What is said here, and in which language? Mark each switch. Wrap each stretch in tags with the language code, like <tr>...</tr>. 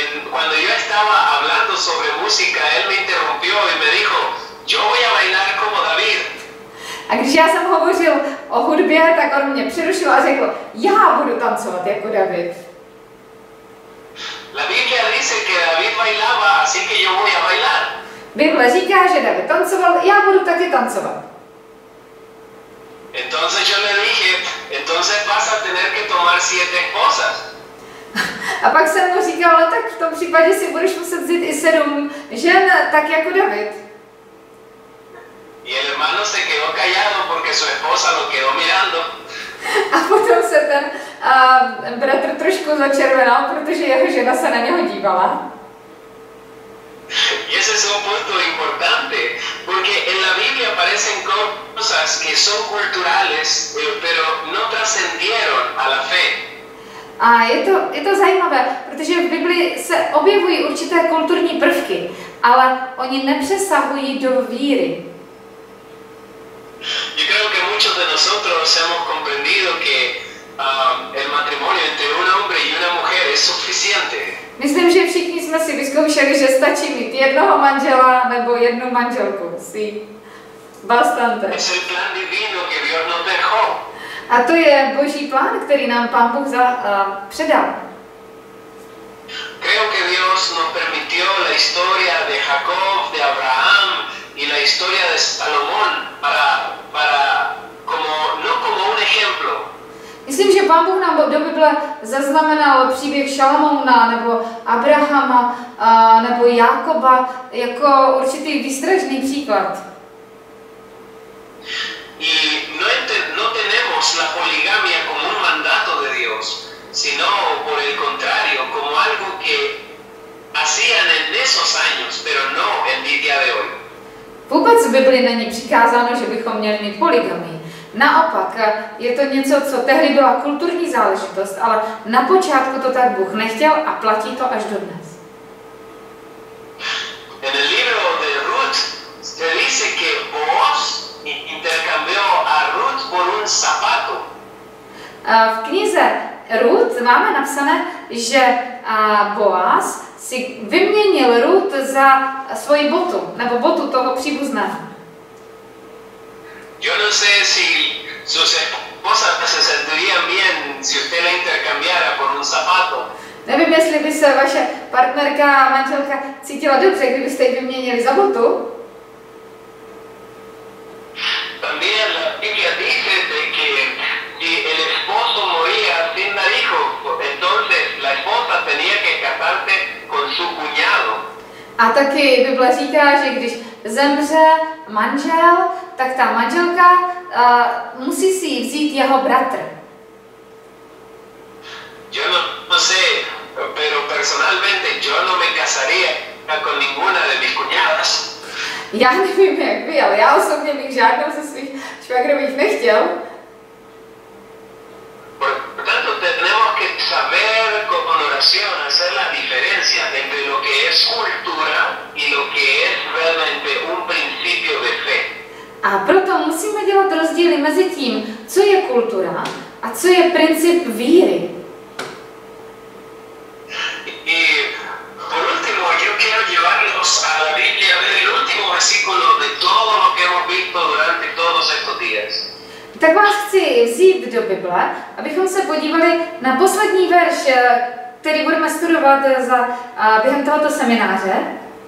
<es>Cuando yo estaba hablando sobre música, él me interrumpió y me dijo: "Yo voy a bailar como David."</es> <cs>A když já jsem hovořil o hudbě, tak on mě přerušil a řekl: "Já budu tancovat jako David."</cs> <es>La Biblia dice que David bailaba, así que yo voy a bailar.</es> <cs>Bible říká, že David tancoval, já budu taky tancovat.</cs> <es>Entonces yo le dije, entonces vas a tener que tomar 7 esposas.</es> <cs>A pak jsem mu říkal, no tak v tom případě si budeš muset vzít i 7 žen, tak jako David.</cs> <es>Y el hermano se quedó callado porque su esposa lo quedó mirando.</es> <cs>A potom se ten bratr trošku začervenal, protože jeho žena se na něho dívala.</cs> <es>Y ese es un punto importante, porque en la Biblia aparecen cosas que son culturales, pero no trascendieron a la fe.</es> <cs>A je to zajímavé, protože v Biblii se objevují určité kulturní prvky, ale oni nepřesahují do víry.</cs> <es>Yo creo que muchos de nosotros hemos comprendido que el matrimonio entre un hombre y una mujer es suficiente.</es> <cs>Myslím, že všichni jsme si vyzkoušeli, že stačí mít jednoho manžela nebo jednu manželku.</cs> <es>Sí. Bastante. Es el plan divino que Dios nos dejó.</es> <cs>A to je Boží plán, který nám Pán Bůh předal.</cs> <es>Creo que Dios nos permitió la historia de Jacob, de Abraham y la historia de Salomón para como no como un ejemplo.</es> <cs>Myslím, že Pán Bůh nám do Bible zaznamenal příběh Šalamouna nebo Abrahama nebo Jákoba jako určitý výstražný příklad.</cs> <es>Y no tenemos la poligamia como un mandato de Dios, sino por el contrario, como algo que hacían en esos años, pero no en el día de hoy.</es> <cs>Vůbec v Bibli není přikázáno, že bychom měli mít poligamii. Naopak, je to něco, co tehdy byla kulturní záležitost, ale na počátku to tak Bůh nechtěl a platí to až do dnes.</cs> <es>En el libro de Ruth se dice que Boaz intercambió a Ruth por un zapato.</es> <cs>V knize Ruth máme napsané, že Boaz si vyměnil Ruth za svoji botu, nebo botu toho příbuzného.</cs> <es>Yo no sé si sus esposas se sentirían bien si usted la intercambiara por un zapato.</es> <cs>Nevím, jestli by se vaše partnerka a manželka cítila dobře, kdybyste ji vyměnili za botu.</cs> <es>También la Biblia dice de que si el esposo moría sin dar hijo, entonces la esposa tenía que casarse con su cuñado.</es> <cs>A taky Bible říká, že když zemře manžel, tak ta manželka musí si vzít jeho bratr.</cs> <es>Yo no sé, pero personalmente yo no me casaría con ninguna de mis cuñadas.</es> <cs>Já nevím, jak vy, ale já osobně bych žádnou ze svých švagrových nechtěl.</cs> <es>Por tanto, tenemos que saber con oración hacer la diferencia entre lo que es cultura y lo que es realmente un principio de fe.</es> <cs>A proto musíme dělat rozdíly mezi tím, co je kultura a co je princip víry.</cs> <es>Y por último, yo quiero llevarlos a la Biblia del último versículo de todo lo que hemos visto durante todos estos días.</es> <cs>Tak vás chci vzít do Bible, abychom se podívali na poslední verš, který budeme studovat za během tohoto semináře.</cs>